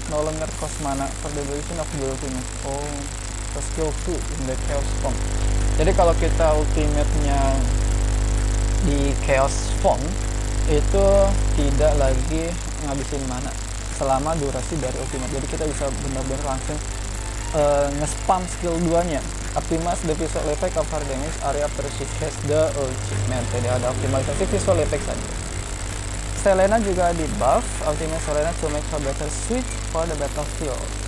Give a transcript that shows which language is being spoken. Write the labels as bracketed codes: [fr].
[en] No longer cost mana for the duration of the ultimate. Oh, her skill to in the Chaos form. [id] Jadi kalau kita ultimate-nya di Chaos form, itu tidak lagi ngabisin mana selama durasi dari ultimate. Jadi kita bisa benar-benar langsung nge-spam skill 2-nya. [en] Optimize the visual effect of her damage area after she cast the ultimate. [id] Jadi ada optimalisasi visual effect saja. Selena juga di buff. [en] Ultimate Selena to make her better suit for the battlefield.